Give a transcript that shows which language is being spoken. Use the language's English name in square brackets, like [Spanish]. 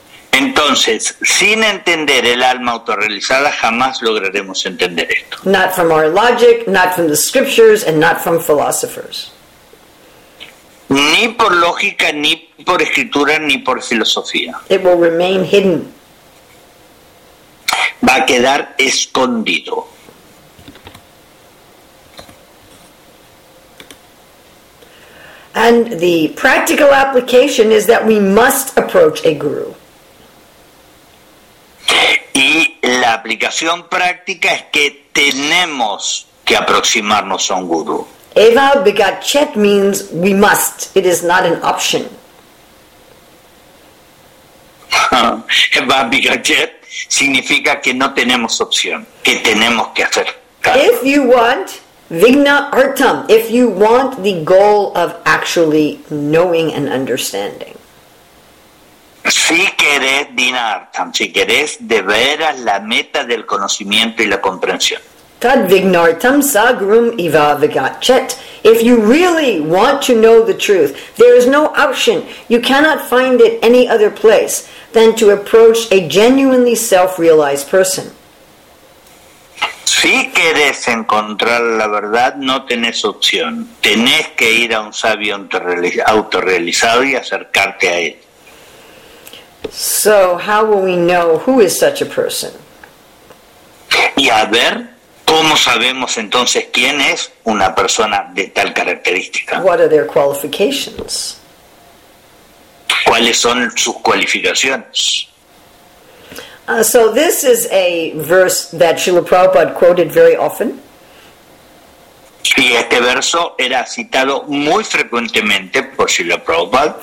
[Spanish] Entonces, sin entender el alma autorrealizada, jamás lograremos entender esto. [English] Not from our logic, not from the scriptures, and not from philosophers. [Spanish] Ni por lógica, ni por escritura, ni por filosofía. [English] It will remain hidden. [Spanish] Va a quedar escondido. [English] And the practical application is that we must approach a guru. [Spanish] Y la aplicación práctica es que tenemos que aproximarnos a un guru. [English] Eva begat chet means we must. It is not an option. [Spanish] Eva begat chet significa que no tenemos opción, que tenemos que hacer. [English] If you want vigna artam, if you want the goal of actually knowing and understanding. [Spanish] Si querés dinartam, si querés de veras la meta del conocimiento y la comprensión. [Sanskrit] Tad vignartam sagrum iva vigat chet. [English] If you really want to know the truth, there is no option, you cannot find it any other place than to approach a genuinely self-realized person. [Spanish] Si querés encontrar la verdad, no tenés opción. Tenés que ir a un sabio autorrealizado y acercarte a él. [English] So, how will we know who is such a person? [Spanish] y a ver cómo sabemos entonces quién es una persona de tal característica. [English] What are their qualifications? [Spanish] ¿Cuáles son sus cualificaciones? [English] So this is a verse that Srila Prabhupada quoted very often. [Spanish] Y este verso era citado muy frecuentemente por Srila Prabhupada.